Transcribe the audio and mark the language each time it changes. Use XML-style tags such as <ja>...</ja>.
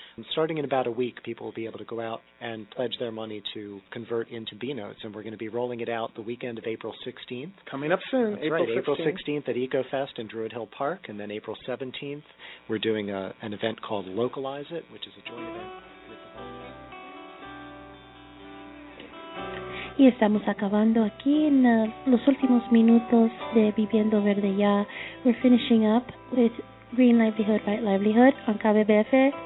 <en>And starting in about a week, people will be able to go out and pledge their money to convert into B-notes, and we're going to be rolling it out the weekend of April 16th. Coming up soon, That's April 16th. April 16th at EcoFest in Druid Hill Park, and then April 17th, we're doing an event called Localize It, which is a joint event.</en> <es>Y estamos acabando aquí en los últimos minutos de Viviendo Verde Ya.</es> <en>We're finishing up with Green Livelihood, Right Livelihood on KBBF.</en>